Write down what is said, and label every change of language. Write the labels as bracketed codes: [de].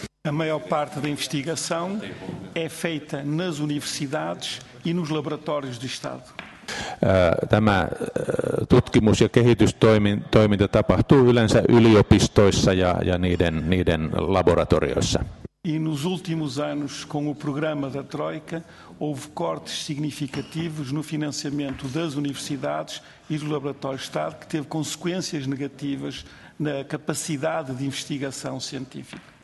[pt] A maior parte da investigação é feita nas universidades e nos laboratórios de Estado. [fi] Tämä tutkimus- ja kehitystoiminta tapahtuu yleensä yliopistoissa ja niiden laboratorioissa. [pt] E nos últimos anos, com o programa da Troika, houve cortes significativos no financiamento das universidades e dos laboratórios de Estado, que teve consequências negativas na capacidade de investigação científica.